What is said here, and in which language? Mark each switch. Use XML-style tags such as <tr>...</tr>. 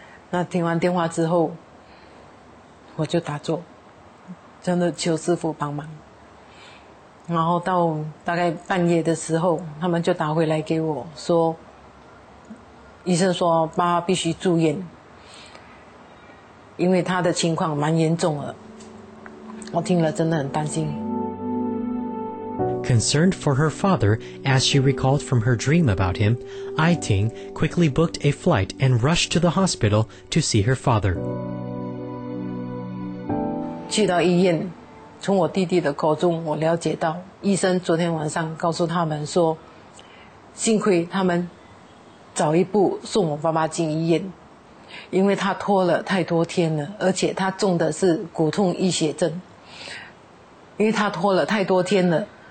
<zh>那听完电话之后我就打坐，真的求师父帮忙。然后到大概半夜的时候，他们就打回来给我说医生说爸爸必须住院，因为他的情况蛮严重了。我听了真的很担心。</zh> <en>Concerned for her father, as she recalled from her dream about him, Ai Ting quickly booked a flight and rushed to the hospital to see her father.</en> <zh>去到医院，从我弟弟的口中我了解到，医生昨天晚上告诉他们说，幸亏他们早一步送我爸爸进医院，因为他拖了太多天了，而且他中的是骨痛溢血症，因为他拖了太多天了。</zh>